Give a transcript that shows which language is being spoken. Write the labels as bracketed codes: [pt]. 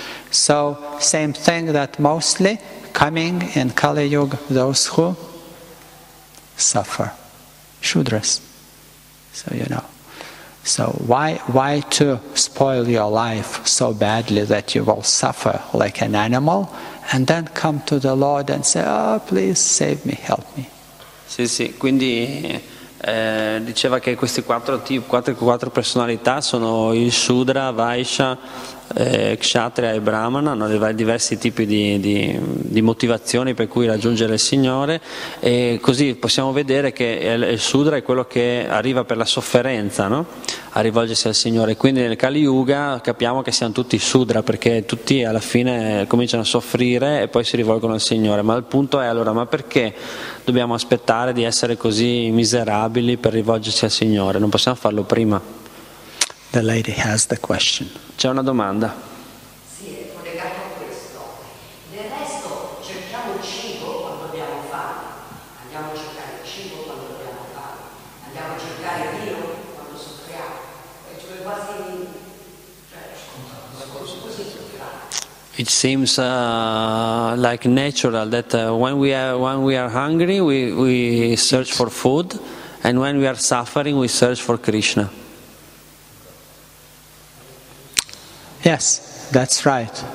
[en] So same thing, that mostly coming in Kali Yuga, those who suffer, Shudras. So you know, so why to spoil your life so badly that you will suffer like an animal and then come to the Lord and say, oh please save me, help me. [it] Sì sì, quindi diceva che questi quattro personalità sono il Shudra, Vaishya, Kshatriya e Brahmana. Hanno diversi tipi di motivazioni per cui raggiungere il Signore, e così possiamo vedere che il Shudra è quello che arriva per la sofferenza, no? A rivolgersi al Signore. Quindi nel Kali Yuga capiamo che siamo tutti Shudra, perché tutti alla fine cominciano a soffrire e poi si rivolgono al Signore. Ma il punto è, allora, ma perché dobbiamo aspettare di essere così miserabili per rivolgersi al Signore? Non possiamo farlo prima? [en] The lady has the question. [it] C'è una domanda. Sì, è collegato a questo. Del resto cerchiamo cibo quando abbiamo fame. Andiamo a cercare cibo quando abbiamo fame. Andiamo a cercare Dio quando soffriamo. E cioè quasi, [en] it seems like natural that when we are hungry we search for food, and when we are suffering we search for Krishna. Yes, that's right.